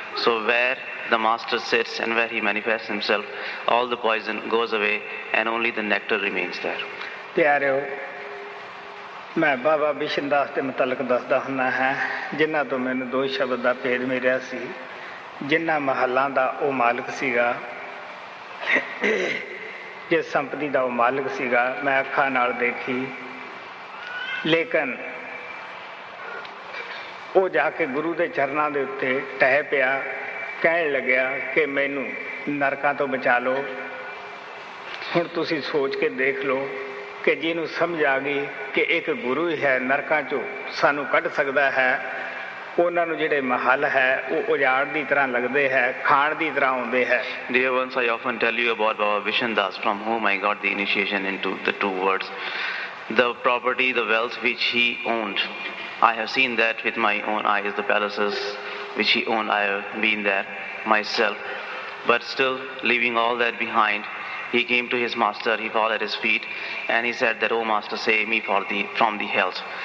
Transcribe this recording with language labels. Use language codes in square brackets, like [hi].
[en] So where the Master sits and where he manifests himself, all the poison goes away and only the nectar remains there. [pa] Pyareo, ਮੈਂ ਬਾਬਾ ਬਿਸ਼ਨ ਦਾਸ ਦੇ ਮੁਤਲਕ ਦੱਸਦਾ ਹੁੰਦਾ ਹਾਂ, ਜਿਨ੍ਹਾਂ ਤੋਂ ਮੈਨੂੰ ਦੋ ਸ਼ਬਦ ਦਾ ਭੇਦ ਮਿਲਿਆ ਸੀ. ਜਿਨ੍ਹਾਂ ਮਹੱਲਾਂ ਦਾ ਉਹ ਮਾਲਕ ਸੀਗਾ, ਜਿਸ ਸੰਪਤੀ ਦਾ ਉਹ ਮਾਲਕ ਸੀਗਾ, ਮੈਂ ਅੱਖਾਂ ਨਾਲ ਦੇਖੀ. ਲੇਕਿਨ ਉਹ ਜਾ ਕੇ ਗੁਰੂ ਦੇ ਚਰਨਾਂ ਦੇ ਉੱਤੇ ਟਹਿ ਪਿਆ, ਕਹਿਣ ਲੱਗਿਆ ਕਿ ਮੈਨੂੰ ਨਰਕਾਂ ਤੋਂ ਬਚਾ ਲਓ. ਹੁਣ ਤੁਸੀਂ ਸੋਚ ਕੇ ਦੇਖ ਲਓ ਕਿ ਜਿਹਨੂੰ ਸਮਝ ਆ ਗਈ ਕਿ ਇੱਕ ਗੁਰੂ ਹੀ ਹੈ ਨਰਕਾਂ 'ਚੋਂ ਸਾਨੂੰ ਕੱਢ ਸਕਦਾ ਹੈ, ਉਹਨਾਂ ਨੂੰ ਜਿਹੜੇ ਮਹੱਲ ਹੈ ਉਹ ਉਜਾੜ ਦੀ ਤਰ੍ਹਾਂ ਲੱਗਦੇ ਹੈ, ਖਾਣ ਦੀ ਤਰ੍ਹਾਂ ਆਉਂਦੇ ਹੈ. [en] Dear ones, I often tell you about Baba Bishan Das, from whom I got the initiation into the two words. The property, the wealth which he owned, I have seen that with my own eyes, the palaces which he owned, I have been there myself. But still, leaving all that behind, he came to his master, he fell at his feet, and he said that, oh master, save me from the hells.